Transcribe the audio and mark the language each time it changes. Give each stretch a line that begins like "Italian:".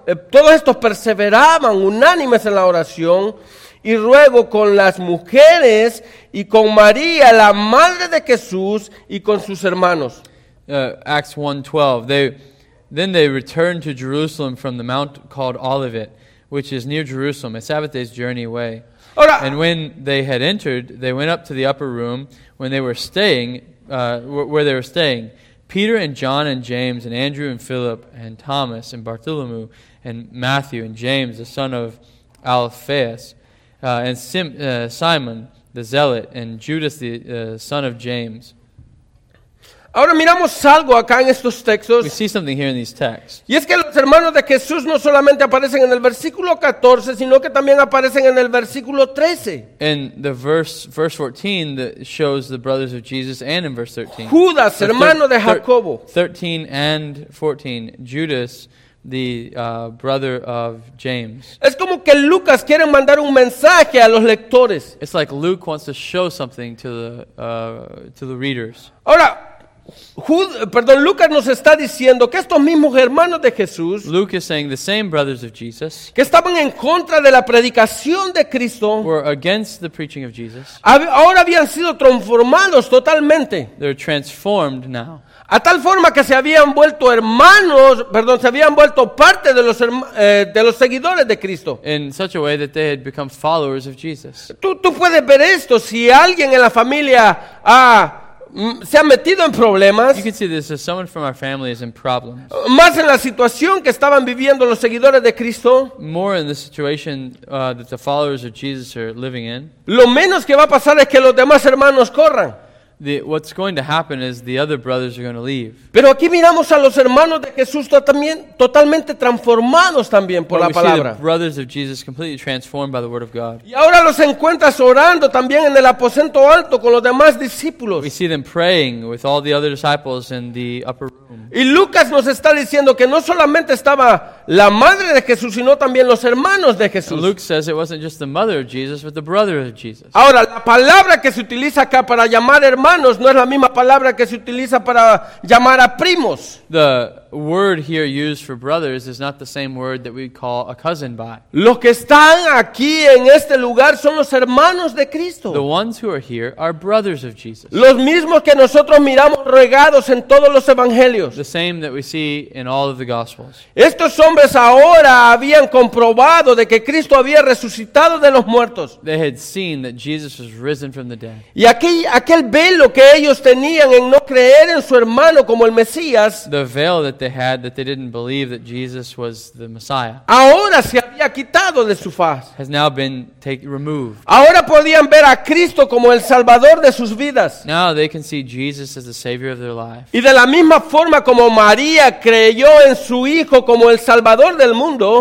Spanish: Todos estos perseveraban unánimes en la oración y ruego con las mujeres y con María, la madre de Jesús, y con sus hermanos.
English: Acts 1:12. Then they returned to Jerusalem from the mount called Olivet, which is near Jerusalem, a Sabbath day's journey away.
Spanish: Ahora,
English: and when they had entered, they went up to the upper room when they were staying, where they were staying. Peter and John and James and Andrew and Philip and Thomas and Bartholomew and Matthew and James, the son of Alphaeus, Simon the Zealot and Judas the son of James.
Spanish: Ahora miramos algo acá en estos textos.
English: We see something here in these texts.
Spanish: Y es que los hermanos de Jesús no solamente aparecen en el versículo 14, sino que también aparecen en el versículo 13.
English: And the verse 14 that shows the brothers of Jesus and in verse 13.
Spanish: Judas, hermano de Jacobo.
English: 13 and 14, Judas, the brother of James.
Spanish: Es como que Lucas quiere mandar un mensaje a los lectores.
English: It's like Luke wants to show something to the readers.
Spanish: Ahora, Lucas nos está diciendo que estos mismos hermanos de Jesús,
English: Luke is saying the same brothers of Jesus,
Spanish: que estaban en contra de la predicación de Cristo,
English: were against the preaching of Jesus,
Spanish: ahora habían sido transformados totalmente.
English: They're transformed now.
Spanish: A tal forma que se habían vuelto hermanos, perdón, se habían vuelto parte de los seguidores de Cristo.
English: In such a way that they had become followers of Jesus.
Spanish: Tú puedes ver esto si alguien en la familia se ha metido en problemas.
English: You can see this, someone from our family is in problems.
Spanish: Más en la situación que estaban viviendo los seguidores de Cristo.
English: More in the situation that the followers of Jesus are living in.
Spanish: Lo menos que va a pasar es que los demás hermanos corran.
English: What's going to happen is the other brothers are going to leave.
Spanish: Pero aquí miramos a los hermanos de Jesús también totalmente transformados también por la palabra.
English: But we see the brothers of Jesus completely transformed by the word of God.
Spanish: Y ahora los encuentras orando también en el aposento alto con los demás discípulos.
English: We see them praying with all the other disciples in the upper room.
Spanish: Y Lucas nos está diciendo que no solamente estaba la madre de Jesús, sino también los hermanos de Jesús.
English: And Luke says it wasn't just the mother of Jesus, but the brother of Jesus.
Spanish: Ahora, la palabra que se utiliza acá para llamar hermanos no es la misma palabra que se utiliza para llamar a primos.
English: The word here used for brothers is not the same word that we call a cousin by.
Spanish: Los que están aquí en este lugar son los hermanos de Cristo.
English: The ones who are here are brothers of Jesus.
Spanish: Los mismos que nosotros miramos regados en todos los evangelios.
English: The same that we see in all of the gospels.
Spanish: Estos hombres ahora habían comprobado de que Cristo había resucitado de los muertos.
English: They had seen that Jesus was risen from the dead.
Spanish: Y aquel velo que ellos tenían en no creer en su hermano como el Mesías.
English: The veil that they had, that they didn't believe that Jesus was the Messiah.
Spanish: Ahora se había quitado de su faz.
English: Has now been removed.
Spanish: Ahora podían ver a Cristo como el Salvador de sus vidas.
English: Now they can see Jesus as the Savior of their life.
Spanish: Y de la misma forma como María creyó en su Hijo como el Salvador del mundo.